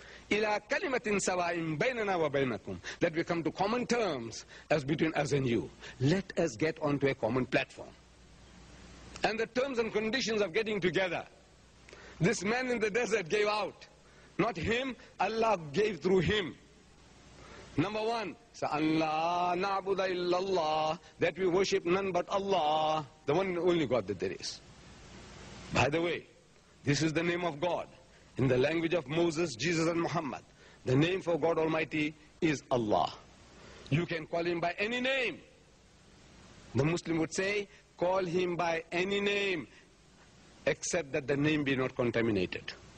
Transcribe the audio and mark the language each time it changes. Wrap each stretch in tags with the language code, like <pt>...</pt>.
<ar>إِلَىٰ كَلِمَةٍ سَوَائِمْ بَيْنَنَا وَبَيْنَكُمْ.</ar> <en>Let we come to common terms as between us and you. Let us get onto a common platform. And the terms and conditions of getting together, this man in the desert gave out. Not him, Allah gave through him. Number one,</en> <ar>سَأَلَّا نَعْبُدَ إِلَّا اللَّهِ.</ar> <en>That we worship none but Allah, the one and only God that there is. By the way, this is the name of God. In the language of Moses, Jesus, and Muhammad, the name for God Almighty is Allah. You can call him by any name. The Muslim would say, call him by any name, except that the name be not contaminated.</en>